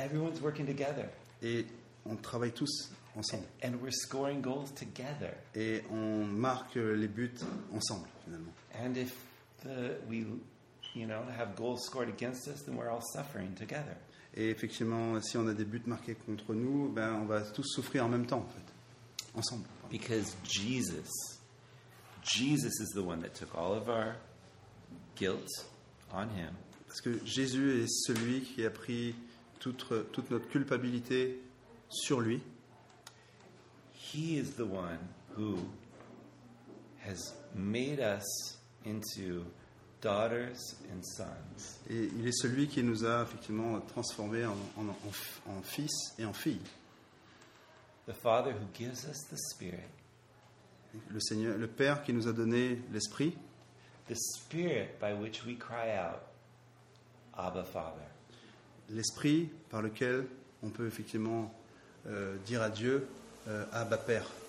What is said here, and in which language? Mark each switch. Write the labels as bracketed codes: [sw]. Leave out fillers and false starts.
[en] Everyone's working together. [fr] Et on travaille tous ensemble. [en] And we're scoring goals together. [fr] Et on marque les buts ensemble finalement. [en] And if we, you know, have goals scored against us, then we're all suffering together. [fr] Et effectivement, si on a des buts marqués contre nous, ben on va tous souffrir en même temps, en fait, ensemble. [en] Because Jesus is the one that took all of our guilt on him. [fr] Parce que Jésus est celui qui a pris toute notre culpabilité sur lui. [en] He is the one who has made us into daughters and sons. [fr] Et il est celui qui nous a effectivement transformés en fils et en filles. [en] The Father who gives us the Spirit. [fr] Le Père qui nous a donné l'Esprit. [en] The Spirit by which we cry out, Abba Father. [fr] L'Esprit par lequel on peut effectivement dire à Dieu Abba Père.